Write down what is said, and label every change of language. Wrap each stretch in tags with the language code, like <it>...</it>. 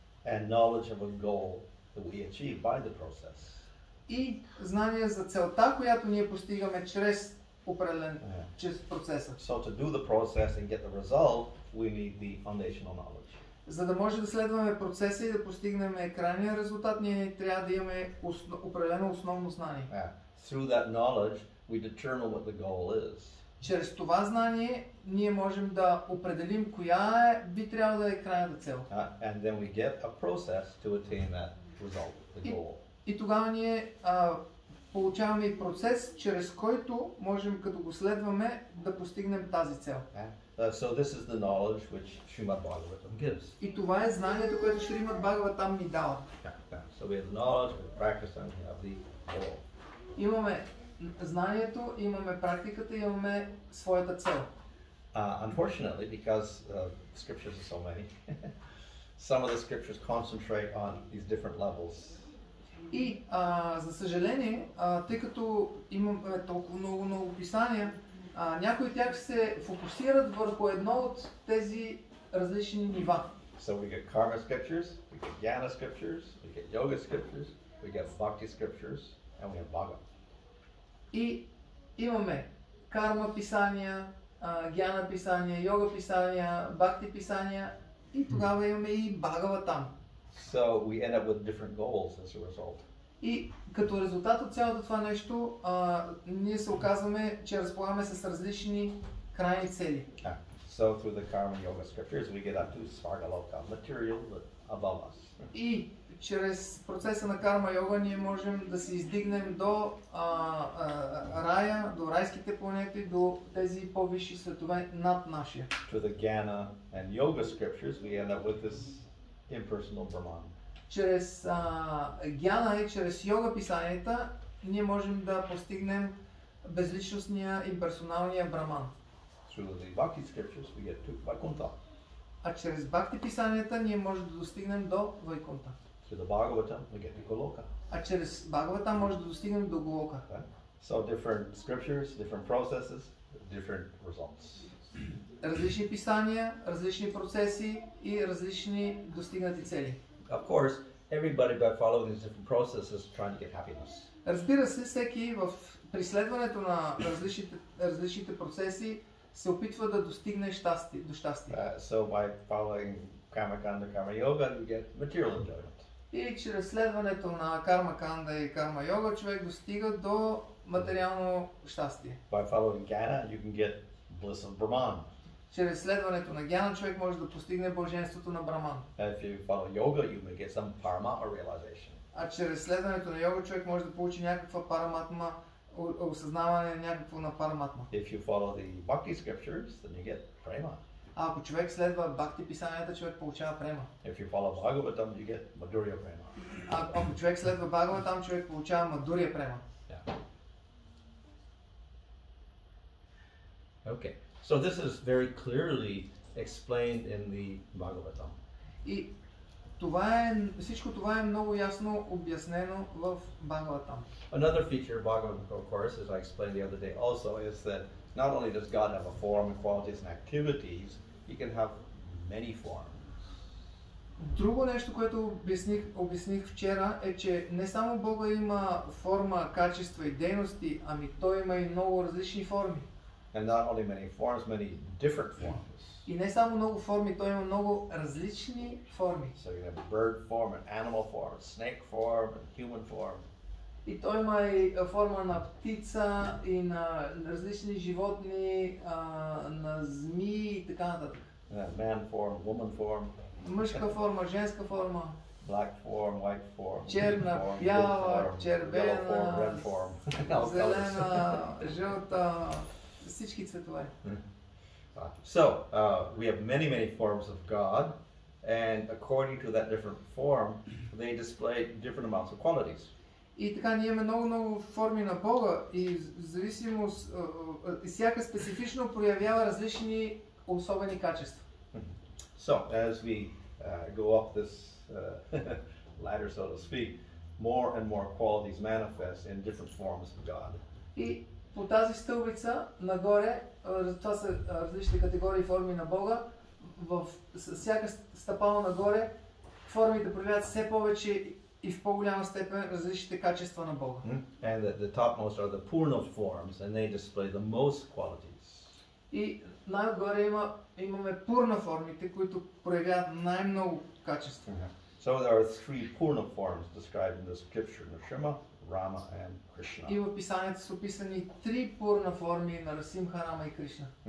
<en>And knowledge of a goal that we achieve by the process.</en> <bg>И знание за целта, която ние постигаме чрез определен чрез процеса.</bg> <en>So to do the process and get the result, we need the foundational knowledge.</en> <bg>За да може да следваме процеса и да постигнем крайния резултат, ние трябва да имаме определено основно знание.</bg> <en>Through that knowledge, we determine what the goal is.</en> <bg>Чрез това знание ние можем да определим коя е, би трябвало да е крайната цел.</bg> <en>And then we get a process to attain that result, the goal.</en> <bg>И тогава ние получаваме и процес, чрез който можем, като го следваме, да постигнем тази цел.</bg> <en>So this is the knowledge which Shrimad Bhagavatam gives.</en> <bg>И това е знанието, което Шримад Бхагаватам ни дава.</bg> <en>So we have the knowledge, we have the practice, and we have the goal.</en> <bg>Имаме знанието, имаме практиката, имаме своята цел.</bg> <en>Unfortunately, because scriptures are so many, some of the scriptures concentrate on these different levels.</en> <bg>И за съжаление, тъй като имаме толкова много писания, някои от тях се фокусират върху едно от тези различни нива.</bg> <en>So we get karma scriptures, we get jnana scriptures, we get yoga scriptures, we get bhakti scriptures, and we have bhaga.</en> <bg>И имаме карма писания, гьяна писания, йога писания, бхакти писания и тогава имаме и Бхагава там.</bg> <en>So we end up with different goals as a result.</en> <bg>И като резултат от цялото това нещо, ние се оказваме, че разполагаме с различни крайни цели.</bg> <en>So through the karma yoga scriptures we get up to svargaloka, material above us.</en> <bg>И чрез процеса на карма йога ние можем да се издигнем до рая, до райските планети, до тези по-висши светове над нашия.</bg> <en>Through the jnana and yoga scriptures we end up with this impersonal brahman.</en> <bg>Чрез гяна и чрез йога писанията ние можем да постигнем безличностния имперсоналния браман.</bg> <en>Through the bhakti scriptures we get to Vaikuntha.</en> <bg>А чрез бхакти писанията ние можем да достигнем до Вайкунта.</bg> <en>Through the Bhagavatam we get to Голока.</en> <bg>А чрез Бхагаватам можем да достигнем до Голока.</bg> <en>So different scriptures, different processes, different results.</en> <bg>Различни писания, различни процеси и различни достигнати цели.</bg> <en>Of course, everybody by following these different processes trying to get happiness.</en> <bg>Разбира се, всеки в преследването на различните процеси се опитва да достигне щастие, до щастие.</bg> <en>So by following karma kanda karma yoga you get material enjoyment.</en> <bg>И чрез следването на карма канда и карма йога човек достига до материално щастие.</bg> <en>By following jnana you can get bliss of brahman.</en> <bg>Чрез следването на гяна човек може да постигне блаженството на браман.</bg> <en>If you follow yoga you may get some paramatma realization.</en> <bg>А чрез следването на йога човек може да получи някаква параматма, осъзнаване някакво на параматма.</bg> <en>If you follow the bhakti scriptures then you get prema.</en> <bg>А ако човек следва бхакти писанията, човек получава према.</bg> <en>If you follow bhagavatam you get madhurya prema.</en> <bg>А ако човек следва бхагаватам, човек получава мадурия према.</bg> <en>Yeah. Okay. So this is very clearly explained in the Bhagavatam.</en> <bg>И това е, всичко това е много ясно обяснено в Бхагаватам.</bg> <en>Another feature of Bhagavatam, of course, as I explained the other day also, is that not only does God have a form and qualities and activities, He can have many forms.</en> <bg>Друго нещо, което обясних вчера, е, че не само Бога има форма, качества и дейности, ами Той има и много различни форми.</bg> <en>And not only many forms, many different forms.</en> <bg>И не само много форми, той има много различни форми.</bg> <en>So you have bird form, an animal form, snake form, and human form.</en> <bg>И той има и форма на птица и на различни животни, на змии и така нататък.</bg> <en>Man form, woman form.</en> <bg>Мъжка форма, женска форма.</bg> <en>Black form, white form,</en> <bg>черна, бяла, червена,</bg> <en>yellow form, red form.</en> <bg>Зелена, жълта. Всички цветове.</bg> <en>So, we have many, many forms of God, and according to that different form, they display different amounts of qualities.</en> <bg>И така, ние имаме много-много форми на Бога, и зависимост, всяка специфично проявява различни особени качества.</bg> <en>So, as we go up this ladder, so to speak, more and more qualities manifest in different forms of God.</en> <bg>По тази стълбица нагоре, това са различни категории форми на Бога, с всяка стъпала нагоре, формите проявяват все повече и в по-голяма степен различните качества на Бога.</bg> <en>And the topmost are the purna forms, and they display the most qualities.</en> <bg>И най-отгоре имаме пурна формите, които проявяват най-много качества.</bg> <en>So there are three purna forms described in the scripture in the Shema. Rama and Krishna.</en> <bg>И в писанието са описани три пурна форми на Расимха, Рама и Кришна.</bg>